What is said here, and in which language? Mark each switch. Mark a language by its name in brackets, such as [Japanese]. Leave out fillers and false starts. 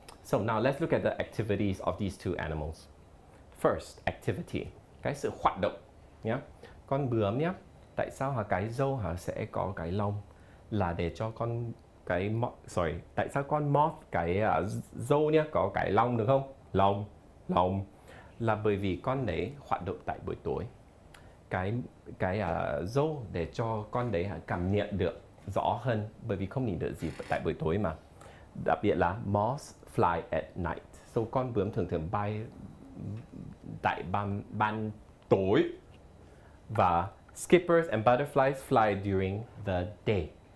[English] So now let's look at the activities of these two animals. First, activity. [Vietnamese] Cái sự hoạt động. Yeah? Con bướm nhé. Tại sao cái râu sẽ có cái lông? Là để cho con cái tại sao con moth cái râu nhé có cái lông được không? Lông. Là bởi vì con đấy hoạt động tại buổi tối. Cái râu để cho con đấy cảm nhận được rõ hơn, bởi vì không nhìn được gì tại buổi tối mà. Đặc biệt là [English] moths fly at night. [Vietnamese] So con bướm thường thường bay tại ban tối. [English] Và skippers and butterflies fly during the day.